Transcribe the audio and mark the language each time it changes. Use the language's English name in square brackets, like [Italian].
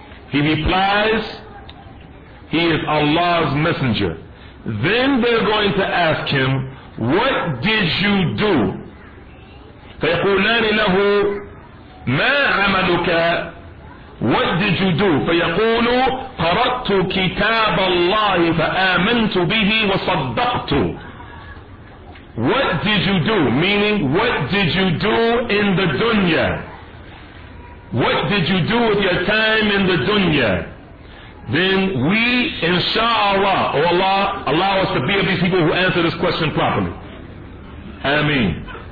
[English] He replies, he is Allah's messenger. Then they're going to ask him, what did you do? [Arabic] فَيَقُولَانِ لَهُ مَا عَمَلُكَ [English] What did you do? [Arabic] فَيَقُولُ قَرَأْتُ كِتَابَ اللَّهِ فَآمَنْتُ بِهِ وَصَدَّقْتُ [English] What did you do? Meaning, what did you do in the dunya? What did you do with your time in the dunya? Then we, inshallah, oh Allah, allow us to be of these people who answer this question properly. Ameen.